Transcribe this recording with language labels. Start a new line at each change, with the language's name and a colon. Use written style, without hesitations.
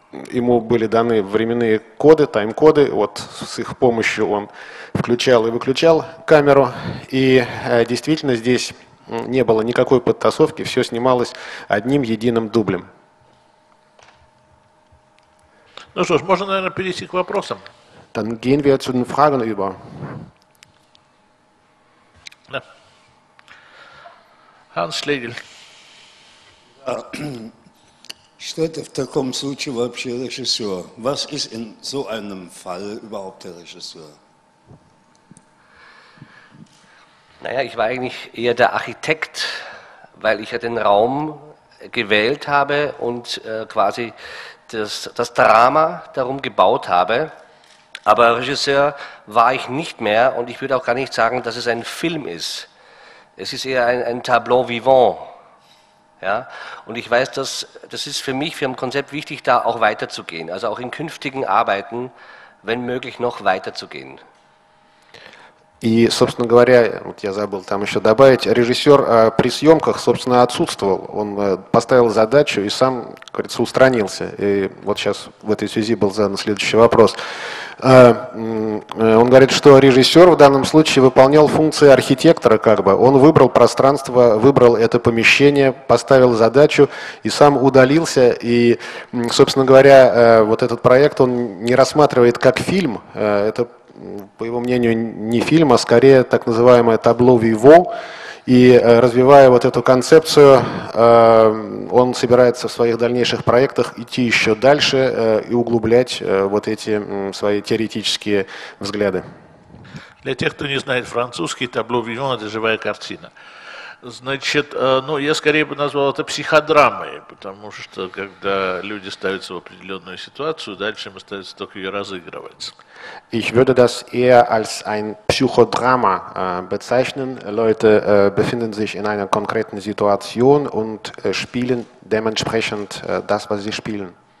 Russian: Ему были даны временные коды, тайм-коды. Вот с их помощью он включал и выключал камеру. И действительно здесь не было никакой подтасовки. Все снималось одним единым дублем. Ну что ж, можно, наверное, перейти к вопросам.
German: Dann gehen wir zu den Fragen über.
Russian: Да. Ханс Шлегель. А, что это в таком случае вообще режиссер?
German: Was ist in so einem Fall überhaupt der Regisseur? Naja, ich war eigentlich eher der Architekt, weil ich ja den Raum gewählt habe und quasi das Drama darum gebaut habe, aber Regisseur war ich nicht mehr und ich würde auch gar nicht sagen, dass es ein Film ist. Es ist eher ein Tableau vivant. Ja? Und ich weiß, dass das ist für mich, für ein Konzept wichtig, da auch weiterzugehen, also auch in künftigen Arbeiten, wenn möglich, noch weiterzugehen.
Russian: И, собственно говоря, вот я забыл там еще добавить, режиссер при съемках, собственно, отсутствовал. Он поставил задачу и сам, как говорится, устранился. И вот сейчас в этой связи был задан следующий вопрос. Он говорит, что режиссер в данном случае выполнял функции архитектора, как бы. Он выбрал пространство, выбрал это помещение, поставил задачу и сам удалился. И, собственно говоря, вот этот проект он не рассматривает как фильм. Это, по его мнению, не фильм, а скорее так называемое табло виво. И развивая вот эту концепцию, он собирается в своих дальнейших проектах идти еще дальше и углублять вот эти свои теоретические взгляды. Для тех, кто не знает французский, табло виво – это живая картина. Значит, ну, я скорее бы назвал это психодрамой, потому что когда люди ставятся в определенную ситуацию, дальше им остается только ее разыгрывать.
German: Ich würde das eher als ein Psychodrama bezeichnen. Leute befinden sich in einer konkreten Situation und spielen dementsprechend das, was sie spielen.